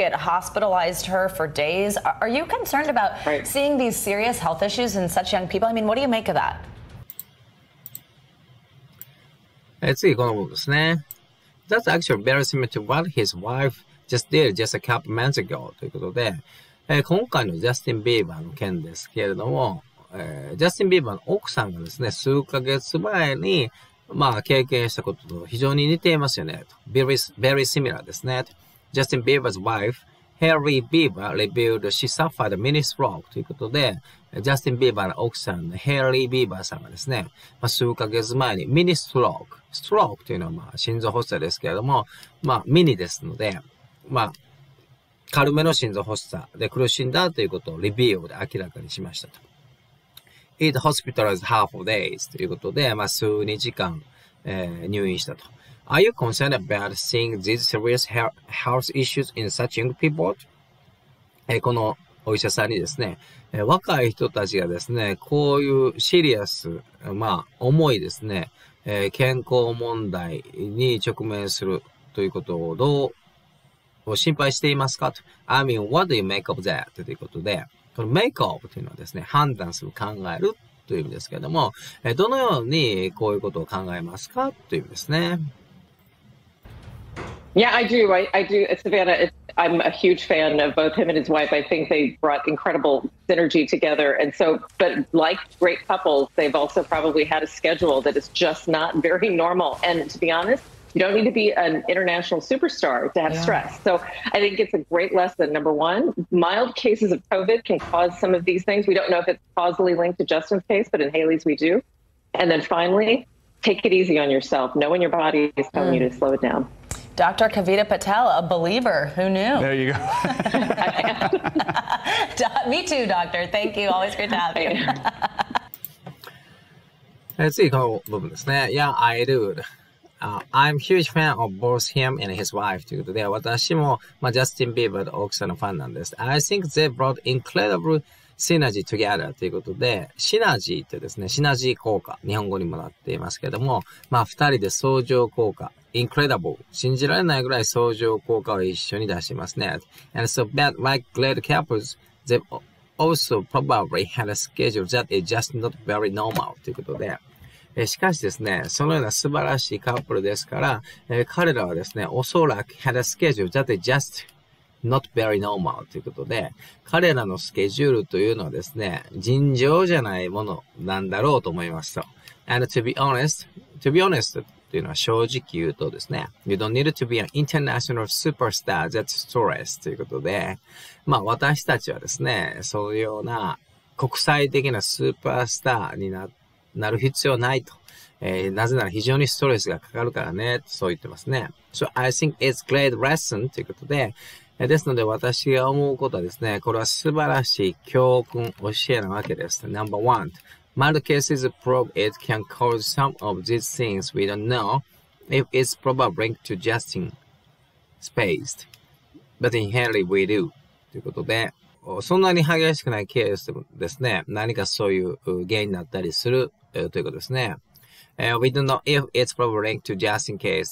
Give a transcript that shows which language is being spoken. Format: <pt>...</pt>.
<en>It hospitalized her for days. Are you concerned about seeing these serious health issues in such young people? I mean, what do you make of that?</en> <ja>次この部分ですね。</ja> <en>That's actually very similar to what his wife just did just a couple months ago.</en> <ja>ということで、今回のジャスティン・ビーバーの件ですけれども、ジャスティン・ビーバーの奥さんがですね、数ヶ月前に、まあ、経験したことと非常に似ていますよね。</ja> <en>Very similar</en> <ja>ですね。</ja> <en>Justin Bieber's wife, Hailey Bieber, revealed she suffered a mini stroke</en> <ja>ということで、Justin Bieber の奥さん、Hailey Bieber さんがですね、まあ、数ヶ月前にミニストローク、ストロークというのはまあ心臓発作ですけれども、まあ、ミニですので、まあ、軽めの心臓発作で苦しんだということをレビューで明らかにしましたと。</ja> <en>It hospitalized half a days</en> <ja>ということで、まあ、数日間、入院したと。</ja> <en>Are you concerned about seeing these serious health issues in such young people?</en> <ja>このお医者さんにですね、若い人たちがですね、こういうシリアス、まあ、重いですね、健康問題に直面するということをどう心配していますかと。</ja> <en>I mean, what do you make of that?</en> <ja>ということで、この make of というのはですね、判断する、考えるという意味ですけれども、どのようにこういうことを考えますかという意味ですね。</ja> <en>Yeah, I do. I do. Savannah, I'm a huge fan of both him and his wife. I think they brought incredible synergy together. And so, but like great couples, they've also probably had a schedule that is just not very normal. And to be honest, you don't need to be an international superstar to have stress. So I think it's a great lesson. Number one, mild cases of COVID can cause some of these things. We don't know if it's causally linked to Justin's case, but in Haley's, we do. And then finally, take it easy on yourself. Know when your body is telling you to slow it down. Dr. Kavita Patel, a believer. Who knew? There you go. Me too, doctor. Thank you. Always great to have you.</en> <ja>次この部分ですね。</ja> <en>Yeah, I do. I'm a huge fan of both him and his wife.</en> <ja>ということで、私も、まあ、ジャスティン・ビーバーの奥さんのファンなんです。</ja> <en>I think they brought incredible synergy together.</en> <ja>ということで、シナジーってですね、シナジー効果。日本語にもなっていますけれども、まあ、二人で相乗効果。</ja> <en>Incredible.</en> <ja>信じられないぐらい相乗効果を一緒に出してますね。</ja> <en>And so, but like great couples, they also probably had a schedule that is just not very normal.</en> <ja>ということで。しかしですね、そのような素晴らしいカップルですから、彼らはですね、おそらく</ja> <en>had a schedule that is just not very normal.</en> <ja>ということで、彼らのスケジュールというのはですね、尋常じゃないものなんだろうと思いますと。</ja> <en>And to be honest,</en> <ja>というのは正直言うとですね、</ja> <en>You don't need to be an international superstar that's stressed</en> <ja>ということで、まあ私たちはですね、そういうような国際的なスーパースターになる必要ないと、なぜなら非常にストレスがかかるからね、そう言ってますね。</ja> <en>So I think it's great lesson</en> <ja>ということで、ですので私が思うことはですね、これは素晴らしい教訓教えなわけです。</ja> <en>Number one. Mild cases prove it can cause some of these things. We don't know if it's probably linked to Justin spaced. But in Haley, we do.</en> <ja>ということで、そんなに激しくないケースでもですね、何かそういう原因になったりするということですね。</ja> <en>We don't know if it's probably linked to Justin case.</en>